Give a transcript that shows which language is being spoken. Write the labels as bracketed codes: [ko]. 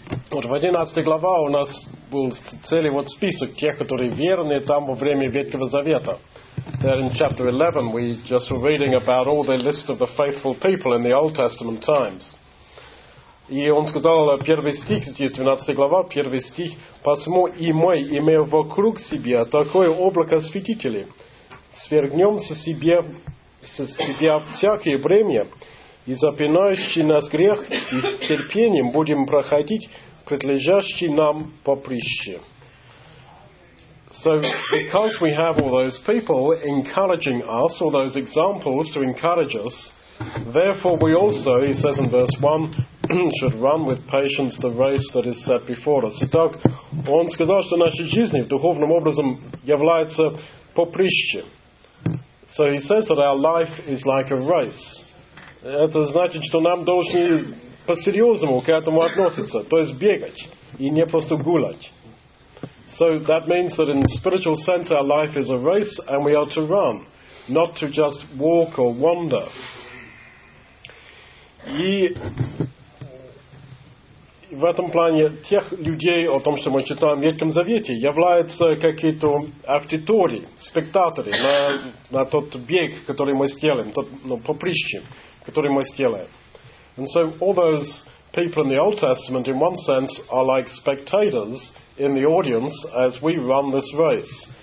[ru] Вот в 11 глава у нас был целый вот список тех, которые верны там во время Ветхого Завета. [en] There in chapter 11 we just were reading about all the list of the faithful people in the Old Testament times. [ru] И он сказал первый стих, здесь 12 глава, первый стих, «Посему и мы, имея вокруг себя такое облако святителей, свергнем со себя всякое бремя, и запинающий нас грех, и с терпением будем проходить предлежащий нам поприще». [en] So, because we have all those people encouraging us, all those examples to encourage us, therefore we also, he says in verse 1, should run with patience the race that is set before us. [ru] Итак, он сказал, что наша жизнь в духовном образом является поприще. [en] So he says that our life is like a race. [ru] Это значит, что нам должны по-серьезному к этому относиться, то есть бегать и не просто гулять. [en] So that means that in the spiritual sense our life is a race and we are to run, not to just walk or wander. [ru] И в этом плане тех людей, о том, что мы читаем в Ветхом Завете, являются какие-то аудитории, спектаторы на тот бег, который мы сделаем, тот поприще, который мы сделаем. [en] And so all those people in the Old Testament, in one sense, are like spectators in the audience as we run this race.